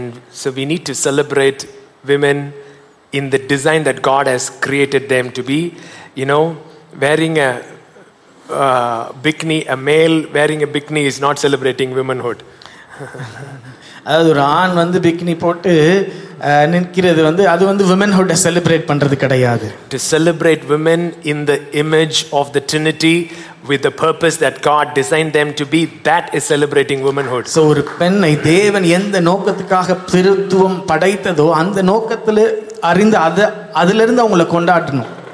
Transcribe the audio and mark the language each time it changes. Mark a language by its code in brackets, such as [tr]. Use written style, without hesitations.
[en] So we need to celebrate women in the design that God has created them to be, you know, wearing a male wearing a bikini is not celebrating womanhood. [ta] அதாவது ஒரு ஆண் வந்து பிக்னி போட்டு நிற்கிறது வந்து அது வந்து [en] womanhood celebrate [ta] பண்றது கிடையாது. [en] To celebrate women in the image of the Trinity with the purpose that God designed them to be, that is celebrating womanhood. [ta] So ஒரு பெண்ணை தேவன் எந்த நோக்கத்துக்காக பிரித்துவம் படைத்ததோ அந்த நோக்கத்துல அறிந்து அதிலிருந்து அவங்களை கொண்டாடணும்.